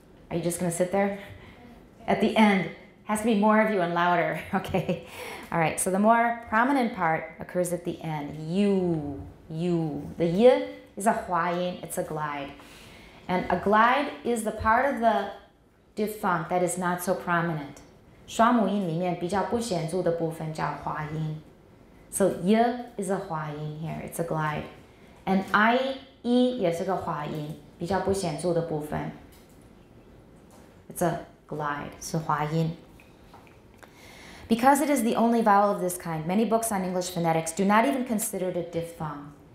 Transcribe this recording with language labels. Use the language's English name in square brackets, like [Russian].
[English] Are you just going to sit there? At the end. Has to be more of you and louder. Okay? All right, so the more prominent part occurs at the end. U, U. The Y is a huayin, it's a glide. And a glide is the part of the diphthong that is not so prominent. [Chinese] 双母音里面比较不显著的部分叫滑音。 [English] So y is a 滑音 here, it's a glide. And I, E [Chinese] 也是个滑音比较不显著的部分。 [English] It's a glide, [Chinese] 是滑音。 [English] Because it is the only vowel of this kind, many books on English phonetics do not even consider it a diphthong.